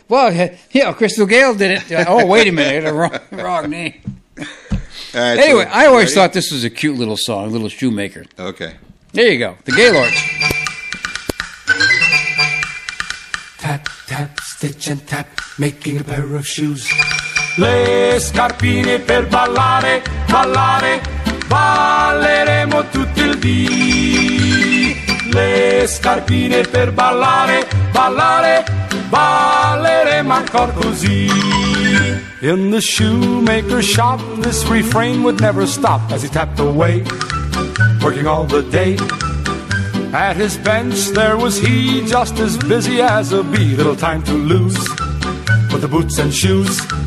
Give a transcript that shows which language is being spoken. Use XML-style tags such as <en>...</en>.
<en>Well, Crystal Gale did it. Oh, wait a minute. I had a wrong name. All right, anyway, so, I always thought this was a cute little song, Little Shoemaker. Okay. There you go, the Gaylords. Tap, tap, stitch and tap, making a pair of shoes.</en> <it>Le scarpine per ballare, ballare, balleremo tutto il dì. Le scarpine per ballare, ballare, balleremo ancora così.</it> <en>In the shoemaker's shop, this refrain would never stop as he tapped away, working all the day. At his bench there was he, just as busy as a bee, little time to lose with the boots and shoes.</en>